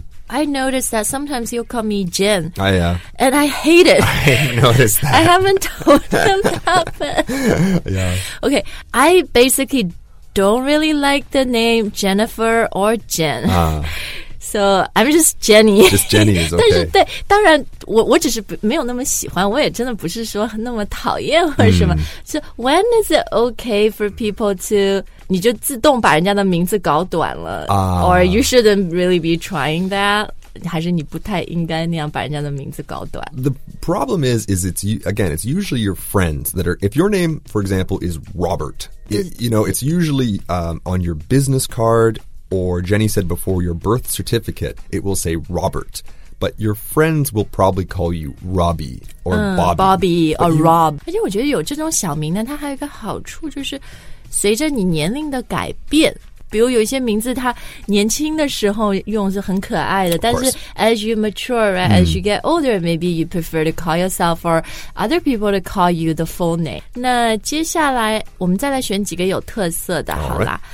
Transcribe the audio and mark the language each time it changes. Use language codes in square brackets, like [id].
[en] I noticed that sometimes he'll call me Jen. Oh, yeah. And I hate it. I noticed that. I haven't told him that, but... Yeah. Okay, I basically don't really like the name Jennifer or Jen. So, I'm just Jenny. Just Jenny is okay. [zh] 但是对，当然，我只是没有那么喜欢，我也真的不是说那么讨厌或者什么。 [en] So, when is it okay for people to... [zh] 你就自动把人家的名字搞短了、 [en] Or you shouldn't really be trying that [zh] 还是你不太应该那样把人家的名字搞短 [en] The problem is it's, again, it's usually your friends that are If your name, for example, is Robert You know, it's usually on your business card Or Jenny said before, your birth certificate It will say Robert But your friends will probably call you Robbie Or Bobby [zh] Bobby or Rob 而且我觉得有这种小名呢它还有一个好处就是随着你年龄的改变比如有一些名字他年轻的时候用是很可爱的但是 [en] as you mature, right,、 [zh] mm. [en] as you get older, maybe you prefer to call yourself or other people to call you the full name. [zh] 那接下来我们再来选几个有特色的好啦、